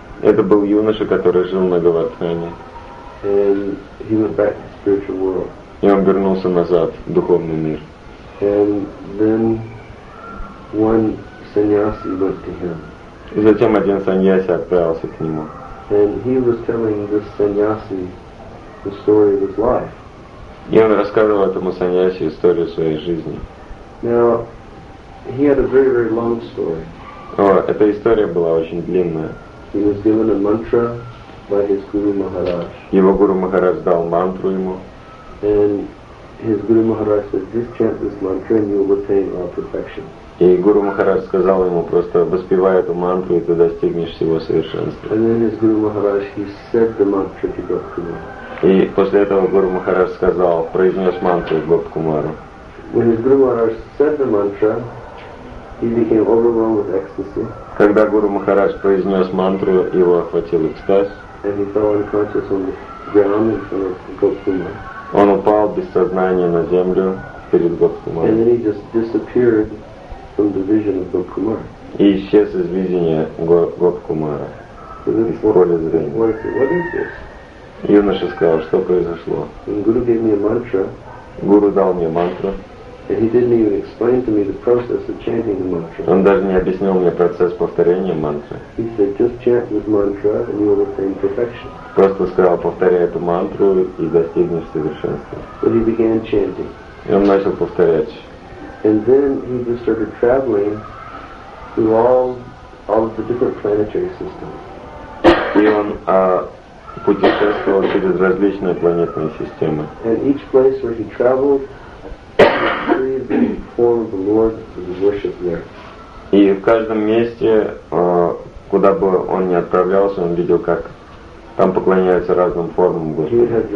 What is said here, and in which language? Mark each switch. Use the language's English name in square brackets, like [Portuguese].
[Russian] Это был юноша, который жил на Говардхане. [English] And he went back to spiritual world. [Russian] И он вернулся назад в духовный мир. [English] And then one sannyasi went to him. [Russian] И затем один саньяси отправился к нему. [English] And he was telling this sannyasi the story of his life. [Russian] И он рассказывал этому саньяси историю своей жизни. [English] Now, he had a very, very long story. [Russian] О, эта история была очень длинная. [English] He was given a mantra by his Guru Maharaj. [Russian] Его Гуру Махарадж дал мантру ему. [English] And his Guru Maharaj said, just chant this mantra and you will attain all perfection. [Russian] И Гуру Махарадж сказал ему, просто воспевай эту мантру, и ты достигнешь всего совершенства. [English] And then his Guru Maharaj, he said the mantra to Gopakumar. [Russian] И после этого Гуру Махарадж сказал, произнес мантру Гопакумару. [English] When his Guru Maharaj said the mantra, he became overwhelmed with ecstasy. [Russian] Когда Гуру Махарадж произнес мантру, его охватил экстаз. [English] And he fell unconscious on the ground in front of Gopakumar. [Russian] Он упал без сознания на землю перед Гопакумаром. [English] And then he just disappeared from the vision of Gopakumar. [Russian] И исчез из видения Гопакумара. Из поля зрения. [English] What is this? [Russian] Юноша сказал, что произошло. [English] And Guru gave me a mantra. [Russian] Гуру дал мне мантру. [English] And he didn't even explain to me the process of chanting the mantra. [Russian] Он даже не объяснил мне процесс повторения мантры. [English] He said, just chant this mantra and you will attain perfection. [Russian] Просто сказал, повторяй эту мантру и достигнешь совершенства. [English] But he began chanting. [Russian] И он начал повторять. [English] And then he just started traveling through all of the different planetary systems. [Russian] И он путешествовал через различные планетные системы. [English] And each place where he traveled, form of the Lord to worship there. [Russian] И в каждом месте, куда бы он ни отправлялся, он видел, как там поклоняются разным формам Господа.